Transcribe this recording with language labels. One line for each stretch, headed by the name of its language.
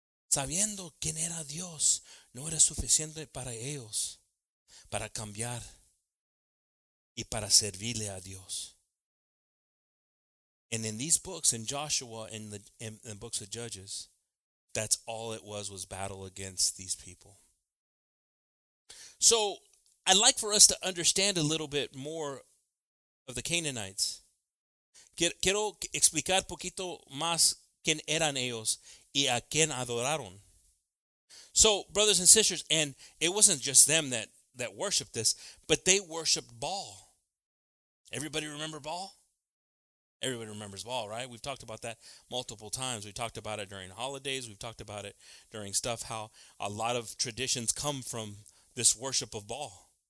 Spanish: Sabiendo quién era Dios, no era suficiente para ellos para cambiar y para servirle a Dios.
English: And in these books, in Joshua, in the books of Judges, that's all it was battle against these people. So I'd like for us to understand a little bit more of the Canaanites.
Spanish: Quiero explicar poquito más quién eran ellos y a quién adoraron.
English: So, brothers and sisters, and it wasn't just them that worshipped this, but they worshipped Baal. Everybody remember Baal? Everybody remembers Baal, right? We've talked about that multiple times. We talked about it during holidays. We've talked about it during stuff, how a lot of traditions come from this worship of Baal.